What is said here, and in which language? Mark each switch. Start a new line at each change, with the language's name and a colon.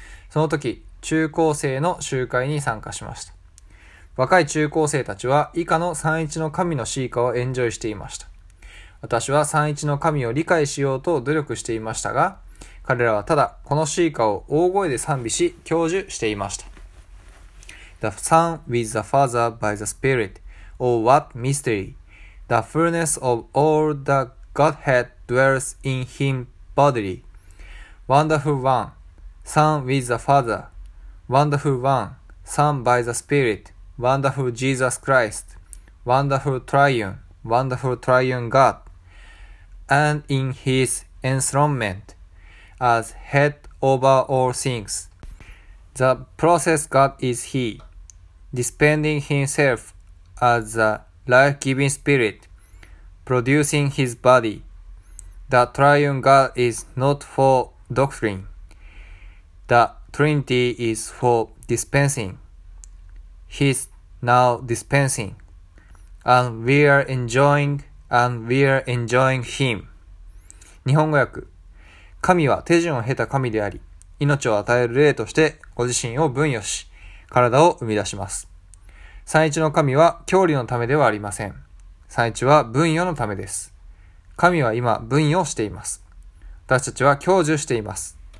Japanese: その時、中高生の集会に参加しました。若い中高生たちは以下の31の神の詩歌をエンジョイしていました。私は31の神を理解しようと努力していましたが、彼らはただこの詩歌を大声で賛美し、享受していました。
English: The Son with the Father by the Spirit, oh what mystery! The fullness of all the Godhead dwells in him bodily. Wonderful One, Son with the Father, Wonderful One, Son by the Spirit,Wonderful Jesus Christ, Wonderful Triune God, and in His enthronement as head over all things, the process God is He, dispending Himself as the life-giving Spirit, producing His body. The Triune God is not for doctrine. The Trinity is for dispensing. His now dispensing, and we are enjoying, and we are enjoying him.
Japanese: 日本語訳、神は手順を経た神であり、命を与える霊としてご自身を分与し、体を生み出します。三一の神は教理のためではありません。三一は分与のためです。神は今分与しています。私たちは享受しています。